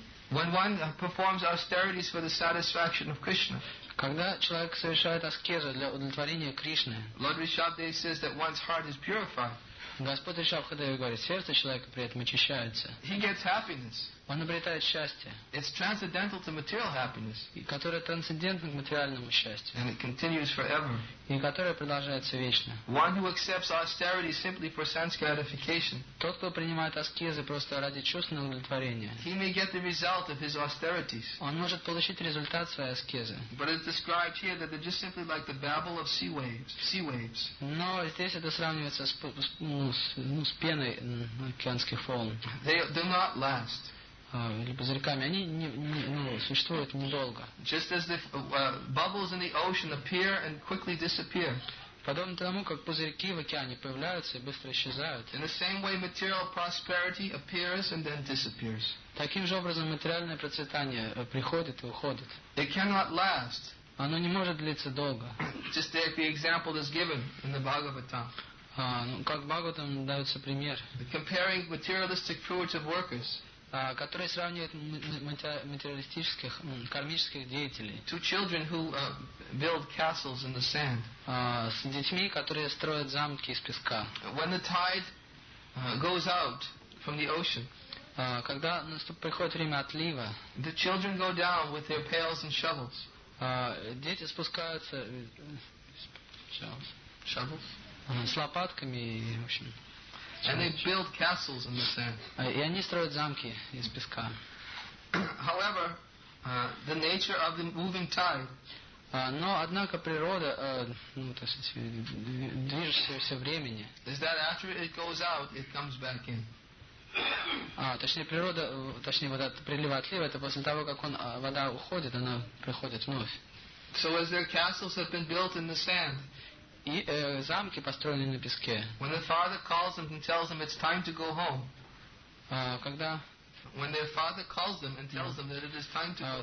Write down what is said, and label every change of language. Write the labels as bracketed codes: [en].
[en] When one performs austerities for the satisfaction of Krishna. [ru] Когда человек совершает аскезу для удовлетворения Кришны. [en] Lord Rishabhadev says that one's heart is purified. [ru] Господь Ришабхадеви говорит, сердце человека при этом очищается. [en] He gets happiness. [ru] Он обретает счастье. [en] It's transcendental to material happiness. [ru] Которое трансцендентно к материальному счастью. [en] And it continues forever. [ru] И которое продолжается вечно. [en] One who accepts austerity simply for sense gratification. [ru] Тот, кто принимает аскезы просто ради чувственного удовлетворения. [en] He may get the result of his austerities. [ru] Он может получить результат своей аскезы. [en] But it's described here that they're just simply like the babble of sea waves. [ru] Но здесь это сравнивается с пеной океанских волн. [en] They do not last. [ru] Или пузырьками, они не существуют недолго. [en] Just as the bubbles in the ocean appear and quickly disappear. [ru] Подобно тому, как пузырьки в океане появляются и быстро исчезают. [en] In the same way, material prosperity appears and then disappears. [ru] Таким же образом материальное процветание приходит и уходит. [en] It cannot last. [ru] Оно не может длиться долго. [en] Just take the example that's given in the Bhagavatam. [ru] Как в Бхагаватам дается пример. [en] Comparing materialistic fruits of workers. [ru] Который сравнивает материалистических, кармических деятелей. [en] Two children who build castles in the sand. [ru] С детьми, которые строят замки из песка. [en] When the tide goes out from the ocean. [ru] Когда приходит время отлива. [en] The children go down with their pails and shovels. [ru] Дети спускаются [en] shovels. [ru] С лопатками и, в общем... [en] And they build castles in the sand. [ru] И они строят замки из песка. [en] However, the nature of the moving tide. [ru] Но однако природа, то есть движущегося времени. [en] Is that after it goes out, it comes back in? [ru] Точнее вода прилива-отлива, это после того, как вода уходит, она приходит вновь. [en] So as their castles have been built in the sand. [ru] И замки построены на песке. [en] When the father calls them and tells them it's time to go home. [ru] Когда? [en] When their father calls them and tells them that it is time to go home.